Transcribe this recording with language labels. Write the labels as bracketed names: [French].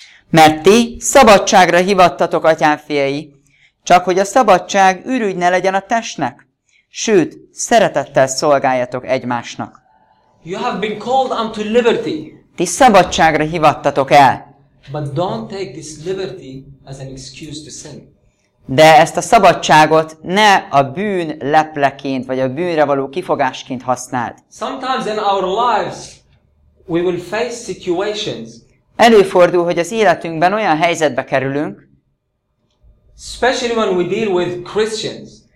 [Hungarian] Mert ti szabadságra hivattatok, atyám fiai, csak hogy a szabadság ürügy ne legyen a testnek, sőt, szeretettel szolgáljatok egymásnak. [English] You have been called unto liberty. [Hungarian] Ti szabadságra hivattatok el. [English] But don't take this liberty as an excuse to sin. [Hungarian] De ezt a szabadságot ne a bűn lepleként, vagy a bűnre való kifogásként használd. [English] Sometimes in our lives we will face situations. [Hungarian] Előfordul, hogy az életünkben olyan helyzetbe kerülünk, [English] Especially when we deal with Christians.